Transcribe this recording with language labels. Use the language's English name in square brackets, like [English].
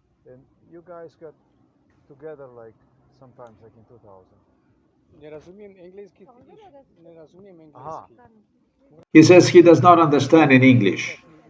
[English] And you guys got together like sometimes like in 2000. [Russian] Не разумеем английский. Не разумеем английский. [English] He says he does not understand in English.